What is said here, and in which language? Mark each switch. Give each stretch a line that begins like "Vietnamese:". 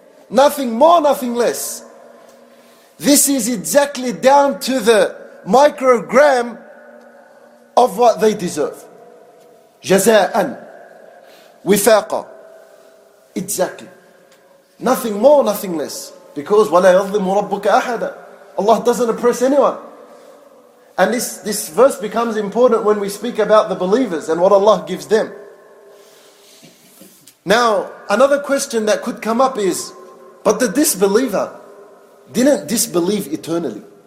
English: Nothing more, nothing less. This is exactly down to the microgram of what they deserve.
Arabic: جزاءً وفاقا.
English: Exactly. Nothing more, nothing less. Because
Arabic: وَلَا يَظْلِمُ رَبُّكَ أَحَدًا.
English: Allah doesn't oppress anyone. And this verse becomes important when we speak about the believers and what Allah gives them. Now, another question that could come up is, but the disbeliever didn't disbelieve eternally.